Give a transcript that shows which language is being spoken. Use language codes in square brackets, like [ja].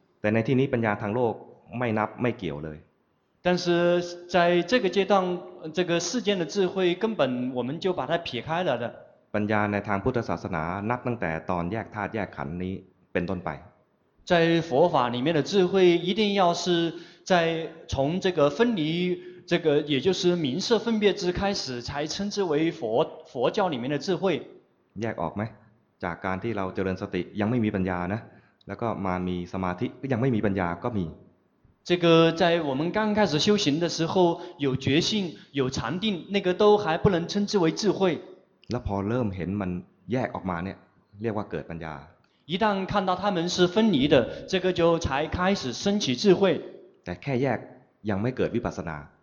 [th] แต่ในที่นี้ปัญญาทางโลกไม่นับไม่เกี่ยวเลย [zh] 但是在这个阶段这个世间的智慧根本我们就把它撇开了的 [th] ปัญญาในทางพุทธศาสนานับตั้งแต่ตอนแยกธาตุแยกขันธ์นี้เป็นต้นไป [zh] 在佛法里面的智慧一定要是在从这个分离这个也就是名色分别之开始才称之为佛教里面的智慧 [th] แยกออกไหมจากการที่เราเจริญสติยังไม่มีปัญญานะแล้วก็มามีสมาธิก็ยังไม่มีปัญญาก็มี [zh] 这个在我们刚开始修行的时候有觉性有禅定那个都还不能称之为智慧 [th] แล้วพอเริ่มเห็นมันแยกออกมาเนี่ยเรียกว่าเกิดปัญญา [zh] 一旦看到他们是分离的这个就才开始升起智慧 [th] แต่แค่แยกยังไม่เกิดวิปัสสนา